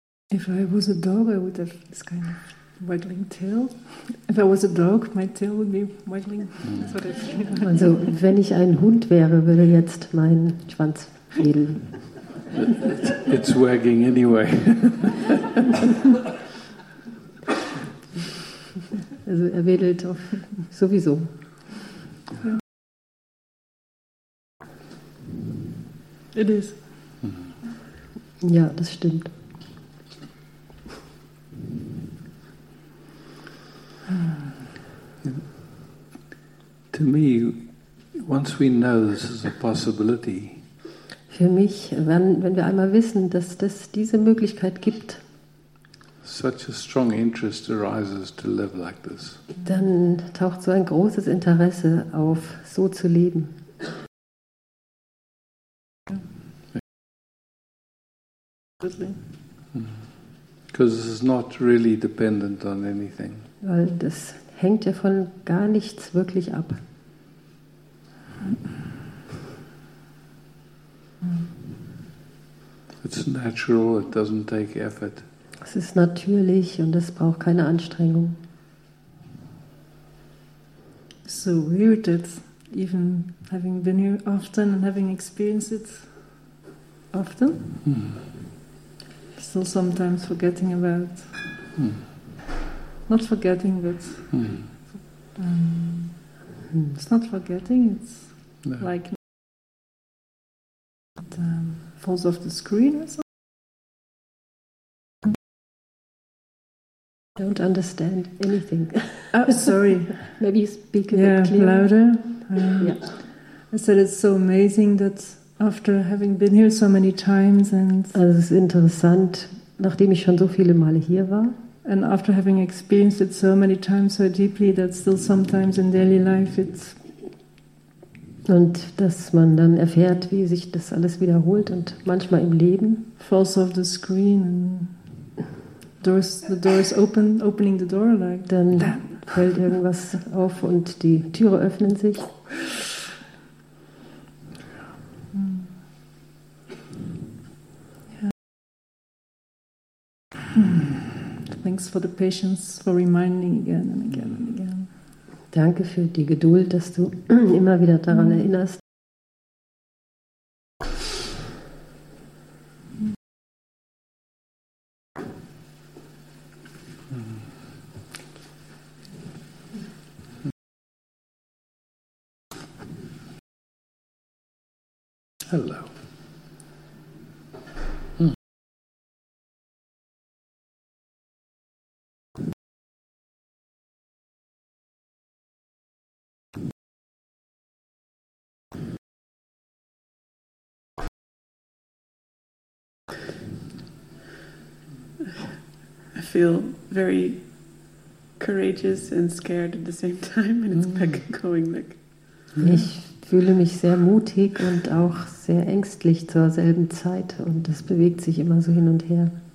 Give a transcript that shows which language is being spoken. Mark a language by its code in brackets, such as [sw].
[en] If I was a dog, I would have this kind of waggling tail. If I was a dog, my tail would be waggling. That's what I feel. [de] Also, wenn ich ein Hund wäre, würde jetzt mein Schwanz wedeln. [en] It's wagging anyway. [de] Also, er wedelt auf, sowieso. [en] It is. [de] Ja, das stimmt. [en] To me, once we know this is a possibility. [de] Für mich, wenn wir einmal wissen, dass das diese Möglichkeit gibt. [en] Such a strong interest arises to live like this. [de] Dann taucht so ein großes Interesse auf, so zu leben. [en] Because this is not really dependent on anything. [de] Weil das hängt ja von gar nichts wirklich ab. [en] It's natural, it doesn't take effort. [de] Es ist natürlich und es braucht keine Anstrengung. [en] So weird that even having been here often and having experienced it often. still sometimes forgetting about. Not forgetting, but it's not forgetting, it's like it falls off the screen or something. I don't understand anything. Oh, sorry. Maybe you speak a bit clearer. Louder. Yeah. I said it's so amazing that after having been here so many times and... [de] Also, es ist interessant, nachdem ich schon so viele Male hier war. [en] And after having experienced it so many times so deeply that still sometimes in daily life it's... [de] Und dass man dann erfährt, wie sich das alles wiederholt und manchmal im Leben... [en] Falls off the screen and doors, the door is open, opening the door like... [de] Dann fällt irgendwas auf und die Türe öffnen sich. [en] Thanks for the patience, for reminding again and again and again. [de] Danke für die Geduld, dass du immer wieder daran erinnerst. [en] Hello. I feel very courageous and scared at the same time, and it's back going like. [de] Ich fühle mich sehr mutig und auch sehr ängstlich zur selben Zeit, und das bewegt sich immer so hin und her.